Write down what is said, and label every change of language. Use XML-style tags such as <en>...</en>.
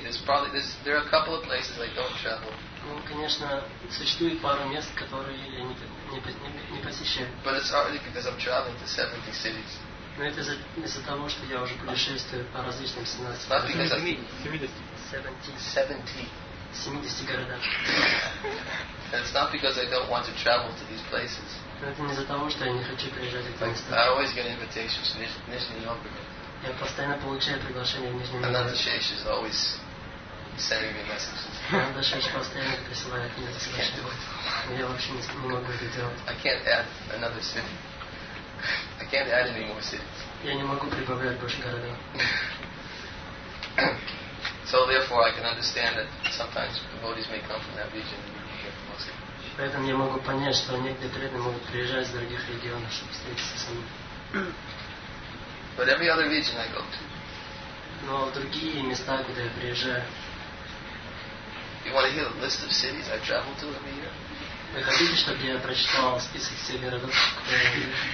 <en>There are a couple of places I don't travel.</en> <ru>Ну, конечно, существует пару мест, которые я не посещаю.</ru> <en>But it's already because I'm traveling to 70 cities.</en> <ru>Но это из-за того, что я уже путешествую по различным 17.</ru> <en>Not because of me.</en> <ru>70 городах.</ru> <en>It's not because I don't want to travel to these places.</en> <ru>Это не из-за того, что я не хочу приезжать к этим местам.</ru> <en>I always get invitations to Nizhny Novgorod.</en> <ru>Я постоянно получаю приглашения в Нижний</ru> <en>Новгород. Another Shesh is always sending me messages.</en> <ru>Another Shesh постоянно присылает мне сообщения. Я вообще не могу это делать.</ru> <en>I can't add another city. I can't add any more cities.</en> <ru>Я не могу прибавлять больше городов.</ru> <en>So therefore, I can understand that sometimes devotees may come from that region and be here from Moscow.</en> <ru>Поэтому я могу понять, что некоторые преданные могут приезжать из других регионов, чтобы встретиться со мной.</ru> <en>But every other region I go to.</en> <ru>Но в другие места, куда я приезжаю.</ru> <en>You want to hear the list of cities I travel to every year?</en> <ru>Вы хотите, чтобы я прочитал список всех городов, куда я еду?</ru>